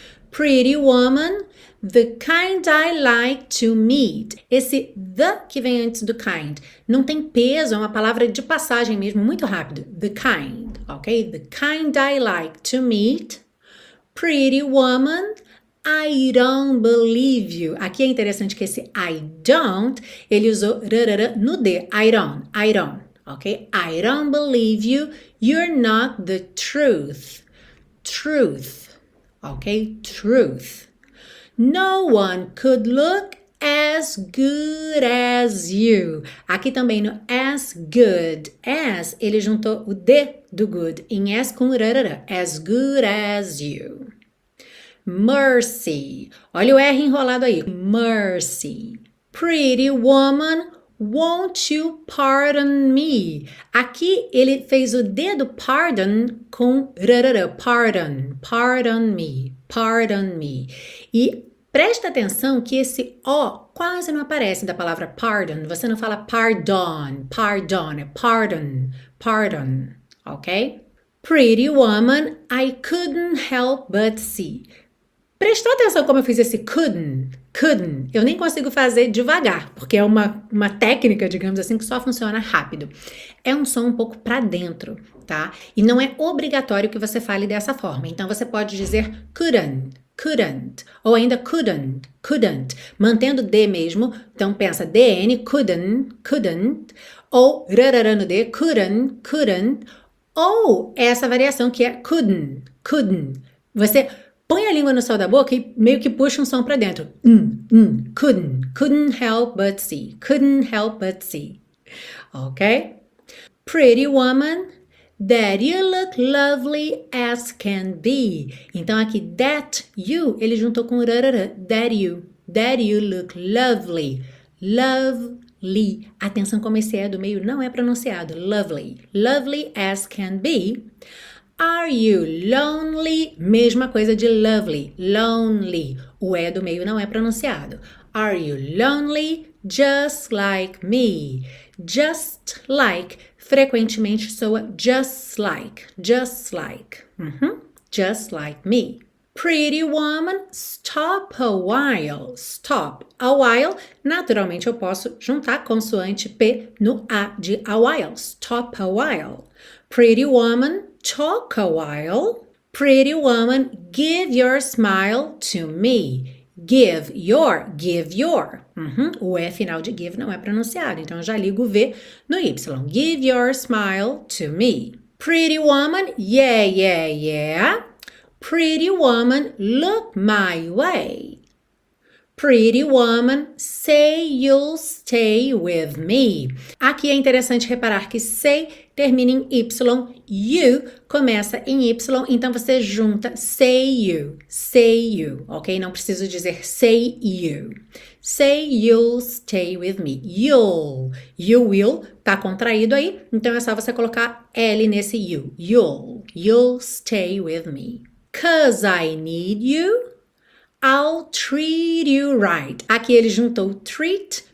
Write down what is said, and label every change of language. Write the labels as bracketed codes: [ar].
[en] Pretty woman, the kind I like to meet. [pt] Esse the que vem antes do kind não tem peso, é uma palavra de passagem mesmo, muito rápido. [en] The kind, ok? The kind I like to meet. Pretty woman, I don't believe you. [pt] Aqui é interessante que esse [en] I don't, [pt] ele usou rarara no D. [en] I don't. Okay, I don't believe you. You're not the truth. Truth. Okay, truth. No one could look as good as you. [pt] Aqui também no [en] as good as, [pt] ele juntou o D do good em as com rarara. [en] As good as you. Mercy. [pt] Olha o R enrolado aí. Mercy. [en] Pretty woman. Won't you pardon me? [pt] Aqui ele fez o dedo pardon com rarara. [en] Pardon, pardon me, pardon me. [pt] E presta atenção que esse O quase não aparece da palavra pardon. Você não fala pardon, pardon, é pardon, pardon, ok? [en] Pretty woman, I couldn't help but see. [pt] Prestou atenção como eu fiz esse couldn't? Couldn't. Eu nem consigo fazer devagar, porque é uma técnica, digamos assim, que só funciona rápido. É um som um pouco para dentro, tá? E não é obrigatório que você fale dessa forma. Então você pode dizer couldn't, couldn't, ou ainda couldn't, couldn't, mantendo D mesmo. Então pensa DN, couldn't, couldn't, ou rararando D, couldn't, couldn't, ou essa variação que é couldn't, couldn't. Você põe a língua no céu da boca e meio que puxa um som para dentro. [en] Couldn't. Couldn't help but see. Couldn't help but see. Ok? Pretty woman, that you look lovely as can be. [pt] Então aqui, [en] that you, [pt] ele juntou com rarara. [en] That you look lovely. [pt] Lovely. Atenção como esse é do meio não é pronunciado. [en] Lovely. Lovely as can be. Are you lonely? [pt] Mesma coisa de lovely, lonely. O E do meio não é pronunciado. [en] Are you lonely? Just like me. Just like, [pt] frequentemente soa [en] just like, just like. Just like me. Pretty woman, stop a while. Stop a while. [pt] Naturalmente eu posso juntar consoante P no A de a while. [en] Stop a while. Pretty woman, talk a while. Pretty woman, give your smile to me. Give your, give your. [pt] O E final de give não é pronunciado, então eu já ligo o V no Y. [en] Give your smile to me. Pretty woman, yeah. Pretty woman, look my way. Pretty woman, say you'll stay with me. [pt] Aqui é interessante reparar que say termina em Y, you começa em Y, então você junta [en] say you, [pt] ok? Não preciso dizer [en] say you. Say you'll stay with me. You will, [pt] tá contraído aí, então é só você colocar L nesse you. [en] You'll stay with me. 'Cause I need you. I'll treat you right. [pt] Aqui ele juntou [en] treat